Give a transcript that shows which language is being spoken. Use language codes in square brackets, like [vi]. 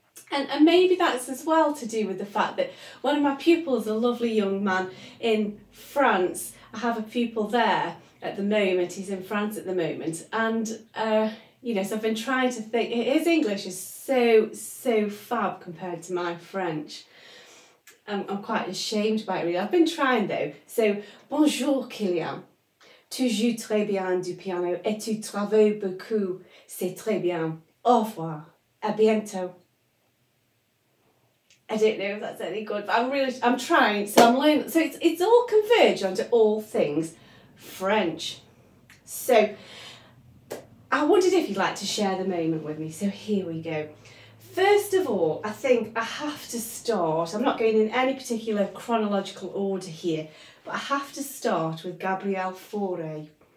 [en] And maybe that's as well to do with the fact that one of my pupils, a lovely young man in France, I have a pupil there at the moment, he's in France at the moment, and you know, so I've been trying to think, his English is so fab compared to my French. I'm quite ashamed by it really. I've been trying though. [fr] So, bonjour Kilian, tu joues très bien du piano et tu travailles beaucoup, c'est très bien. Au revoir, à bientôt. [en] I don't know if that's any good, but I'm trying, so I'm learning. So it's all converged onto all things French. So I wondered if you'd like to share the moment with me, so here we go. First of all, I think I have to start, I'm not going in any particular chronological order here, but I have to start with Gabriel Fauré.